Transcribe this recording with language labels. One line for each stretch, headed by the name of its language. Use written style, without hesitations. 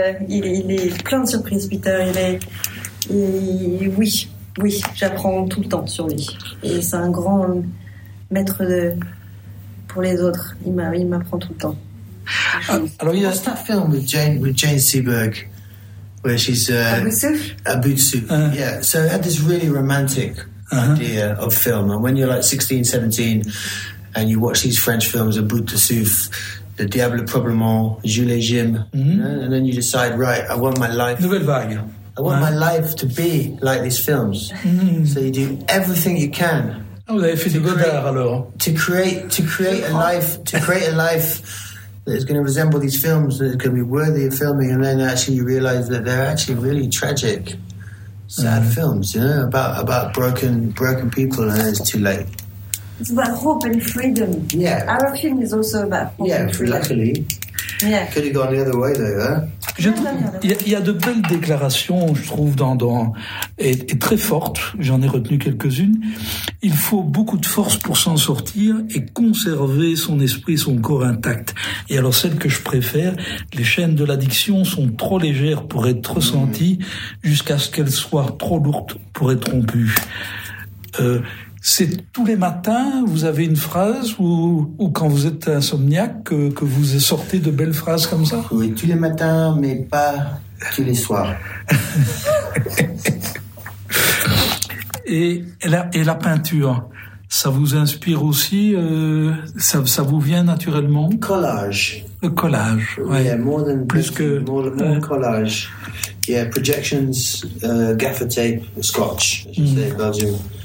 French: il est plein de surprises, Peter. Il est... Et oui, j'apprends tout le temps sur lui. Et c'est un grand maître pour les autres. Il m'apprend tout le temps. Alors, il y a un film avec Jane Seberg, où elle est. Abu de Souf.
English: Yeah, so I had this really romantic idea of film. And when you're like 16, 17, and you watch these French films, Abu de Souf, Le Diable Probablement, Jules et Jim, and then you decide, right, I want my life.
French: Nouvelle vague.
English: I want my life to be like these films. So you do everything you can.
French: Oh, vous avez fait du Godard alors.
English: To create a life that is going to resemble these films, that is going to be worthy of filming, and then actually you realize that they're actually really tragic, sad films, you know, about broken people, and then it's too late. It's about hope and freedom. Yeah. Our film is also about hope and freedom. Luckily. Yeah. Could have gone the other way though, huh?
French: Il y a de belles déclarations, je trouve, et très fortes. J'en ai retenu quelques-unes. Il faut beaucoup de force pour s'en sortir et conserver son esprit, son corps intact. Et alors, celle que je préfère, les chaînes de l'addiction sont trop légères pour être ressenties jusqu'à ce qu'elles soient trop lourdes pour être rompues. C'est tous les matins, vous avez une phrase ou quand vous êtes insomniaque que vous sortez de belles phrases comme ça? Oui, tous les matins, mais pas tous les soirs. Et la peinture, ça vous inspire aussi, ça vous vient naturellement? Collage. Le collage,
English: oui. Yeah, more than
French: plus que...
English: More collage. Yeah, projections, gaffer tape, scotch, as you say, Belgium.